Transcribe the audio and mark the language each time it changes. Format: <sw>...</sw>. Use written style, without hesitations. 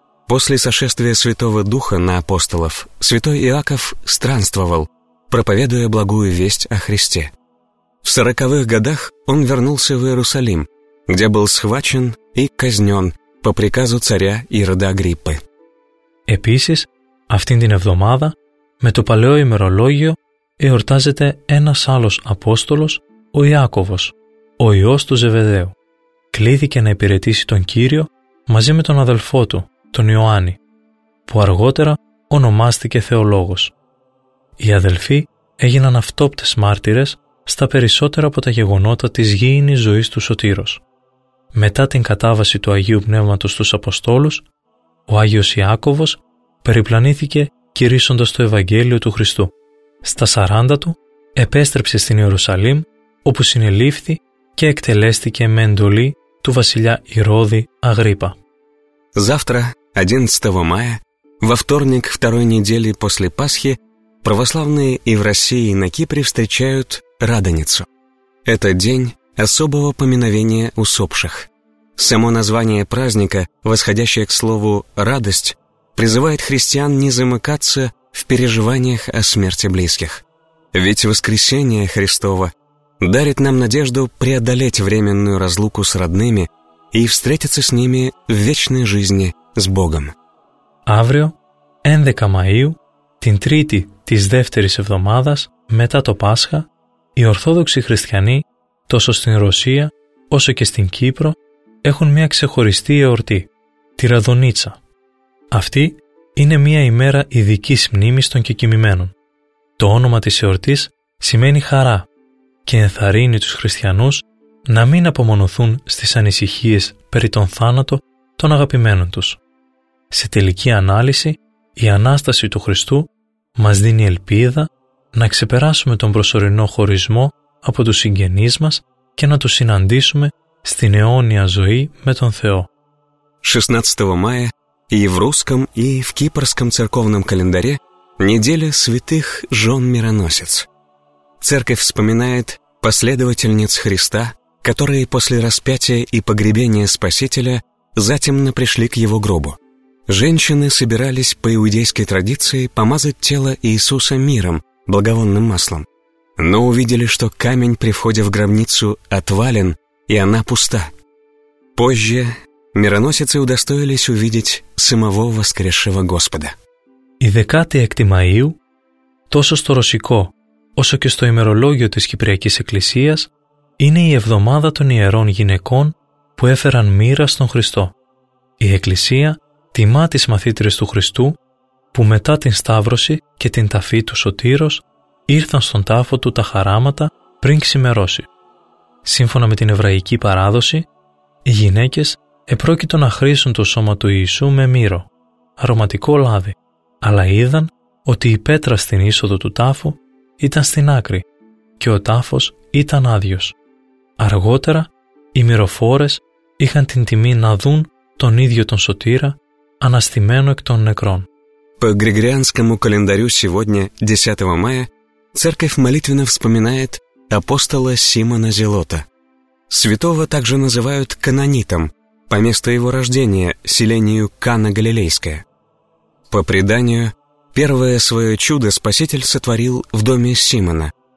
<ru>После сошествия Святого Духа на апостолов святой Иаков странствовал, проповедуя благую весть о Христе. В 40-х годах он вернулся в Иерусалим, где был схвачен и казнен по приказу царя Ирода Агриппы.</ru> <el>Επίσης, αυτήν την εβδομάδα, με το παλαιό ημερολόγιο, εορτάζεται ένας άλλος Απόστολος, ο Ιάκωβος, ο υιός του Ζεβεδαίου. Κλήθηκε να υπηρετήσει τον Κύριο μαζί με τον αδελφό του, τον Ιωάννη, που αργότερα ονομάστηκε θεολόγος. Οι αδελφοί έγιναν αυτόπτες μάρτυρες στα περισσότερα από τα γεγονότα της γήινης ζωής του Σωτήρος. Μετά την κατάβαση του Αγίου Πνεύματος στους Αποστόλους, ο Άγιος Ιάκωβος περιπλανήθηκε κηρύσσοντας το Ευαγγέλιο του Χριστού. Στα 40 του επέστρεψε στην Ιερουσαλήμ, όπου συνελήφθη και εκτελέστηκε με εντολή του βασιλιά Ηρώδη Αγρίπα.</el> <ru>Завтра, 11 мая, во вторник второй недели после Пасхи, православные и в России, и на Кипре встречают Радоницу. Это день особого поминовения усопших. Само название праздника, восходящее к слову «радость», призывает христиан не замыкаться в переживаниях о смерти близких. Ведь воскресение Христово дарит нам надежду преодолеть временную разлуку с родными и встретиться с ними в вечной жизни с Богом.</ru> <el>Αύριο, 11 Μαΐου, την Τρίτη της δεύτερης εβδομάδας μετά το Πάσχα, οι Ορθόδοξοι Χριστιανοί, τόσο στην Ρωσία όσο και στην Κύπρο, έχουν μια ξεχωριστή εορτή, τη Ραδονίτσα. Αυτή είναι μια ημέρα ειδικής μνήμης των κεκοιμημένων. Το όνομα της εορτής σημαίνει χαρά και ενθαρρύνει τους χριστιανούς να μην απομονωθούν στις ανησυχίες περί τον θάνατο των αγαπημένων τους. Σε τελική ανάλυση, η Ανάσταση του Χριστού μας δίνει ελπίδα να ξεπεράσουμε τον προσωρινό χωρισμό από τους συγγενείς μας και να τους συναντήσουμε στην αιώνια ζωή με τον Θεό.</el> <ru>16 Μαΐα и в русском, и в кипрском церковном календаре неделя святых жен-мироносец. Церковь вспоминает последовательниц Христа, которые после распятия и погребения Спасителя затемно пришли к Его гробу. Женщины собирались по иудейской традиции помазать тело Иисуса миром, благовонным маслом. Но увидели, что камень при входе в гробницу отвален, и она пуста. Позже мироносицы удостоились увидеть самого воскресшего Господа. И 16 мая,</ru> <el>тосо сто русско, όσο και στο ημερολόγιο της Κυπριακής Εκκλησίας, είναι η εβδομάδα των ιερών γυναικών που έφεραν μοίρα στον Χριστό. Η Εκκλησία τιμά τις μαθήτρες του Χριστού που μετά την Σταύρωση και την ταφή του Σωτήρος ήρθαν στον τάφο του τα χαράματα πριν ξημερώσει. Σύμφωνα με την εβραϊκή παράδοση, οι γυναίκες επρόκειτο να χρήσουν το σώμα του Ιησού με μύρο, αρωματικό λάδι, αλλά είδαν ότι η πέτρα στην είσοδο του τάφου ήταν στην άκρη και ο τάφος ήταν άδειος. Αργότερα, οι μυροφόρες είχαν την τιμή να δουν τον ίδιο τον Σωτήρα αναστημένο εκ των νεκρών.</el> <ru>По Григорианскому календарю сегодня, 10 мая, церковь молитвенно вспоминает апостола Симона Зелота. Святого также называют канонитом по месту его рождения, селению Кана Галилейское. По преданию, первое свое чудо Спаситель сотворил в доме Симона.</ru>